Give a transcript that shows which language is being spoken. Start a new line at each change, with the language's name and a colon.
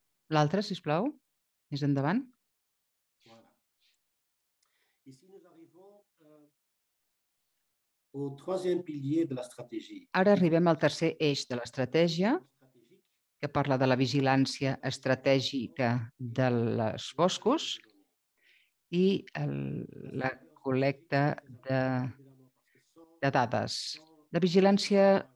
Catalan: L'altre, si us plau, més endavant.
French: Voilà. Ici nous arrivons au troisième pilier de la stratégie.
Catalan: Ara arribem al tercer eix de l'estratègia, que parla de la vigilància estratègica dels boscos i la col·lecta de dades. La vigilància